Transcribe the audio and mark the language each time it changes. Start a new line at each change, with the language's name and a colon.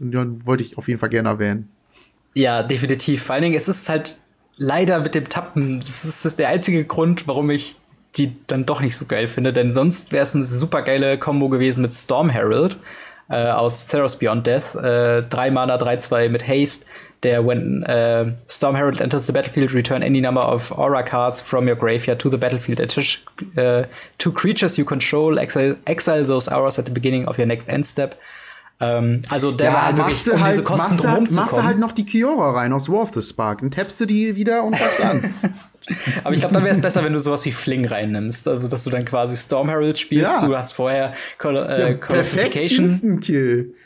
German: Und die wollte ich auf jeden Fall gerne erwähnen. Ja, definitiv. Vor allen Dingen, es ist halt leider mit dem Tappen, das ist der einzige Grund, warum ich die dann doch nicht so geil finde. Denn sonst wäre es eine super geile Kombo gewesen mit Storm Herald aus Theros Beyond Death. 3 Mana, 3/2 mit Haste. Der,
English: when Storm Herald enters the battlefield, return any number of Aura cards from your graveyard to the battlefield. Attach two creatures you control, exile those Auras at the beginning of your next end step.
German: Also der war halt wirklich, um diese Kosten drum rumzukommen. Machst du halt noch die Kiora rein aus War of the Spark. Dann tappst du die wieder und packst an. Aber ich glaube, dann wäre es besser, wenn du sowas wie Fling reinnimmst. Also, dass du dann quasi Storm Herald spielst. Ja. Du hast vorher Colossification. Perfekt, Instant Kill.